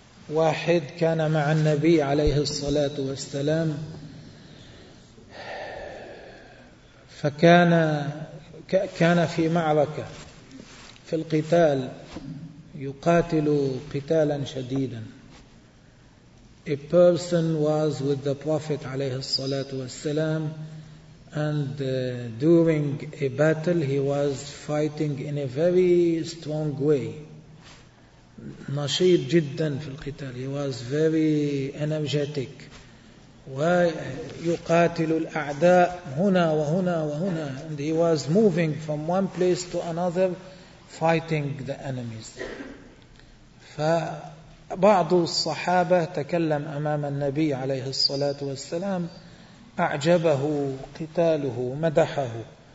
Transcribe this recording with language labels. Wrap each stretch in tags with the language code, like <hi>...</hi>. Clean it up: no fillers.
<ar>واحد كان مع النبي عليه الصلاة والسلام فكان في معركة في القتال يقاتل قتالا شديدا.</ar> <en>A person was with the Prophet</en> <ar>عليه الصلاة والسلام</ar> <en>and during a battle he was fighting in a very strong way.</en> <ar>نشيط جدا في القتال.</ar> <en>He was very energetic.</en> <ar>ويقاتل الأعداء هنا وهنا وهنا.</ar> <en>And he was moving from one place to another fighting the enemies.</en> <ar>فبعض الصحابة تكلم أمام النبي عليه الصلاة والسلام أعجبه قتاله مدحه.</ar>